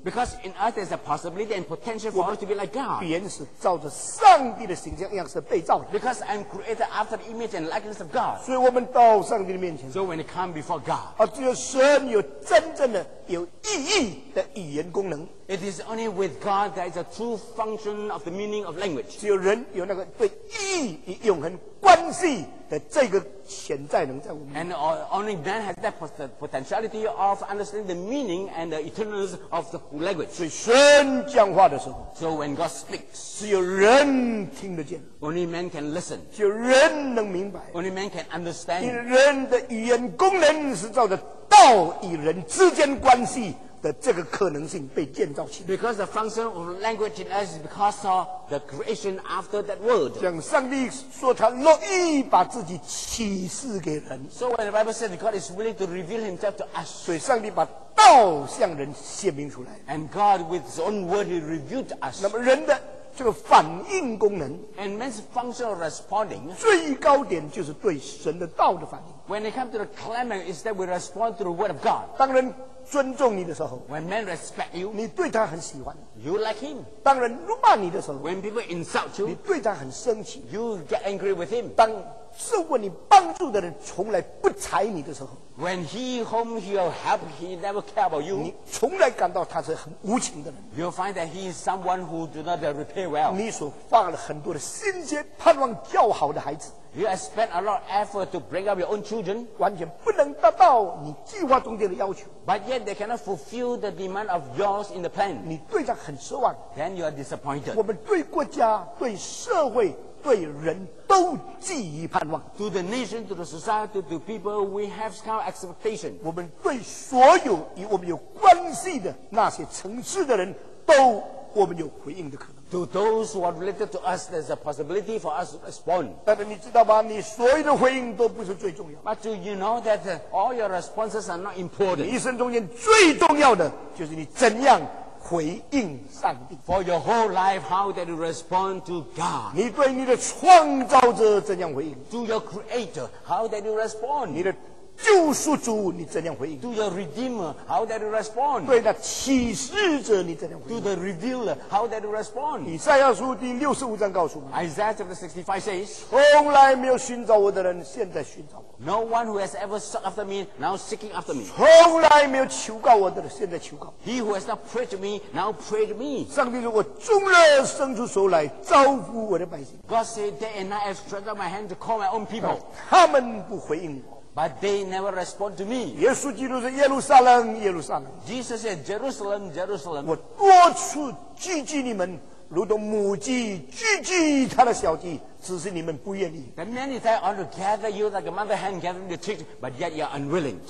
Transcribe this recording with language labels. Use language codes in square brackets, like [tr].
[en] Because in us there's a possibility and potential for us to be like God， [zh] 我原是照着上帝的形象样式被造的。 [en] Because I'm created after the image and likeness of God， [zh] 所以我们到上帝的面前 [en] ，So when we come before God， [zh] 只有神有真正的有意义的语言功能。 [en] It is only with God that is a true function of the meaning of language. [zh] 只有人有那个对意义与永恒关系的这个潜在能在我们。 [en] And only man has that potentiality of understanding the meaning and the eternalness of the language. [zh] 所以神讲话的时候 [en] ，So when God speaks， [zh] 只有人听得见。 [en] Only man can listen， [zh] 只有人能明白。 [en] Only man can understand， [zh] 因为人的语言功能是照着道与人之间关系。的这个可能性被建造起来 [en] because the function of language in us is because of the creation after that word [zh] 像上帝说他乐意把自己启示给人 [en] so when the Bible says God is willing to reveal himself to us [zh] 所以上帝把道向人显明出来 [en] and God with his own word he revealed to us [zh] 那么人的这个反应功能 [en] and man's function of responding [zh] 最高点就是对神的道的反应 [en] when it comes to the climax is that we respond to the word of God [zh] 当人尊重你的时候 [en] ，When men respect you， [zh] 你对他很喜欢 [en] ；You like him。 [zh] 当人辱骂你的时候 [en] ，When people insult you， [zh] 你对他很生气 [en] ；You get angry with him。 [zh] 当受过你帮助的人从来不睬你的时候 [en] ，When he whom you help he never care about you， [zh] 你从来感到他是很无情的人 [en] ；You find that he is someone who do not repay well。 [zh] 你所花了很多的心血，盼望较好的孩子。 [en] You have spent a lot of effort to bring up your own children， [zh] 完全不能达到你计划中间的要求。 [en] But yet they cannot fulfill the demand of yours in the plan。 [zh] 你对他很失望。 [en] Then you are disappointed。 [zh] 我们对国家、对社会、对人都寄予盼望。 [en] To the nation, to the society, to people, we have some expectation。 [zh] 我们对所有与我们有关系的那些城市的人都，我们有回应的可能。 [en] To those who are related to us, there's a possibility for us to respond. [zh] 但是你知道吗？你所有的回应都不是最重要。 [en] But do you know that all your responses are not important? [zh] 你一生中间最重要的就是你怎样回应上帝。 [en] For your whole life, how that you respond to God? [zh] 你对你的创造者怎样回应 [en] ？To your Creator, how that you respond? [zh] 你的救赎主，你怎样回应 [en] ？To your Redeemer, how that you respond? [zh] 对那启示者，你怎样回应 [en] ？To the Revealer, how that you respond? [zh] 以赛亚书第六十五章告诉我们 [en] ，Isaiah chapter 65 says， [zh] 从来没有寻找我的人，现在寻找我。 [en] No one who has ever sought after me, now seeking after me. [zh] 从来没有求告我的人，现在求告。 [en] He who has not prayed to me, now pray to me. [zh] 上帝说，我终日伸出手来招呼我的百姓。 [en] God said, day and night I have stretched out my hand to call my own people. [zh] 他们不回应我。 [en] But they never respond to me. [zh] 耶稣基督说：“耶路撒冷，耶路撒冷。” [en] Jesus said, "Jerusalem, Jerusalem." [zh] 我多次聚集你们，如同母鸡聚集她的小鸡，只是你们不愿意。 [en] The many times I want to gather you like a mother hen gathering the chicks, but yet you are unwilling.